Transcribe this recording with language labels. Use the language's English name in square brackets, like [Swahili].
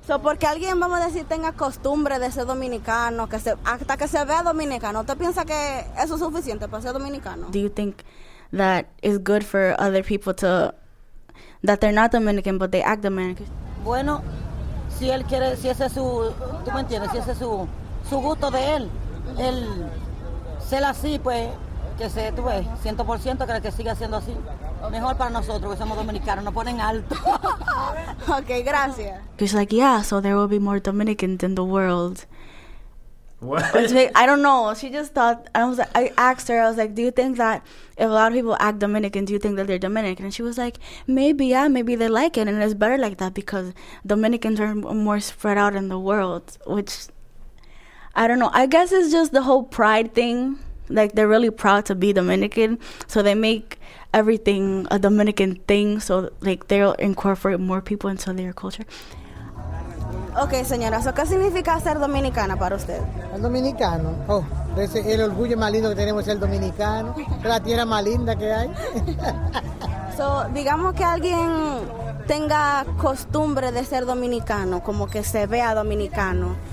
[Spanish] So, porque alguien, vamos a decir, tenga costumbre de ser dominicano, que se, hasta que se vea dominicano, ¿usted piensa que eso es suficiente para ser dominicano? [English] Do you think that is good for other people to... that they're not Dominican, but they act Dominican. [Spanish] Bueno, si él quiere, si ese es su, tú me entiendes, si ese es su gusto de él, él ser así, pues, que se, tú ves, 100% que siga siendo así. Mejor para nosotros, que somos dominicanos, nos ponen alto. Okay, gracias. [English] He's like, yeah, so there will be more Dominicans in the world. What? I don't know. She just thought, I asked her, I was like, do you think that if a lot of people act Dominican, do you think that they're Dominican? And she was like, maybe, yeah, maybe they like it. And it's better like that because Dominicans are more spread out in the world, which I don't know. I guess it's just the whole pride thing. Like, they're really proud to be Dominican. So they make everything a Dominican thing. So, like, they'll incorporate more people into their culture. [Spanish] Okay, señora, so ¿qué significa ser dominicana para usted? El dominicano, es el orgullo más lindo que tenemos ser dominicano, la tierra más linda que hay. So, digamos que alguien tenga costumbre de ser dominicano, como que se vea dominicano.